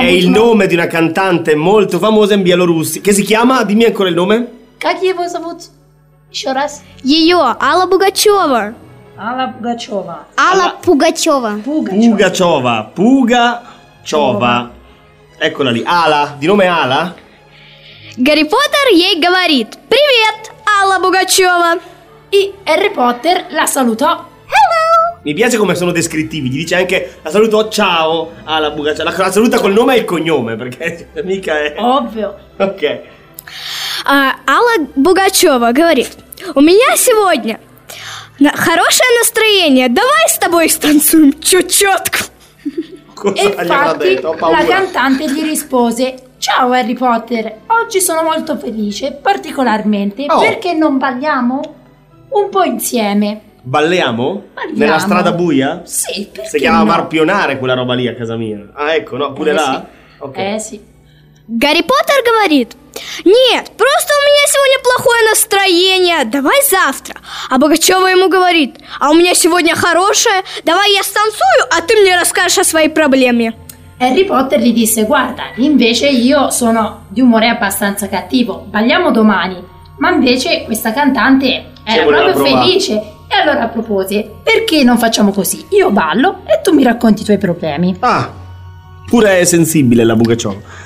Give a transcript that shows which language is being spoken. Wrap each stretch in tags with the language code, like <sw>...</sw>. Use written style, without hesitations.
<it>è il nome di una cantante molto famosa in Bielorussia. Che si chiama? Dimmi ancora il nome.</it> <ru>Как его зовут? Ещё раз. Её, Алла Пугачёва. Алла Пугачёва. Алла Пугачёва. Пугачёва. Пугачёва.</ru> <it>Eccola lì.</it> <ru>Алла.</ru> <it>Di nome Алла?</it> <ru>Гарри Поттер ей говорит. Привет, Алла Пугачёва.</ru> <it>И Гарри Поттер la salutò.</it> <en>Hello.</en> <it>Mi piace come sono descrittivi. Gli dice anche la salutò, ciao, Алла Пугачёва. La saluta col nome e il cognome, perché mica è... Ovvio. Ok.</it> <ru>Алла Пугачёва говорит, у меня сегодня хорошее настроение, давай с тобой станцуем чучётку.</ru> <it>Cosa gli aveva detto? Ho paura. La cantante gli rispose, ciao Harry Potter, oggi sono molto felice, particolarmente, oh, perché non balliamo un po' insieme. Balliamo? Balliamo. Nella strada buia? Sì, perché si chiama no? Marpionare quella roba lì a casa mia. Ah, ecco, no, pure là? Sì. Okay. Sì.</it> <ru>Гарри Поттер говорит, нет, просто у меня сегодня плохое настроение, давай завтра. А Пугачёва ему говорит, а у меня сегодня хорошее, давай я станцую, а ты мне расскажешь о своей проблеме. Гарри Поттер</ru> <it>gli disse, guarda, invece io sono di umore abbastanza cattivo, balliamo domani. Ma invece questa cantante era proprio felice. E allora propose, perché non facciamo così? Io ballo e tu mi racconti i tuoi problemi. Ah, pure è sensibile la Пугачёва.</it>